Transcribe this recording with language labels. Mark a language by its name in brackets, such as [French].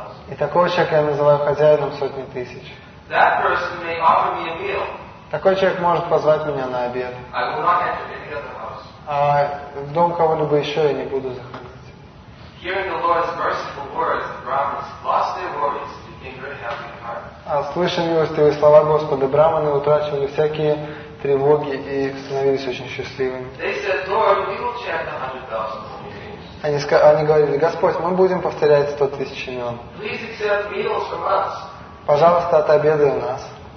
[Russian] И такого человека я называю хозяином сотни тысяч. [English] That person may offer me a meal. [Russian] Такой человек может позвать меня на обед. [English] I will not enter any other house. [Russian] В дом кого-либо еще я не буду заходить. [English] Hearing the Lord's merciful words, the brahmins lost their worries and became very happy in heart. [Russian] Слыша милостивые слова Господа, брахманы утрачивали всякие тревоги и становились очень счастливыми. [English] They said, Lord, we will chant 100,000. [Russian] Они говорили, Господь, мы будем повторять 100,000 имен. [English] Please accept meals from us. [Russian] Пожалуйста, отобедай у нас.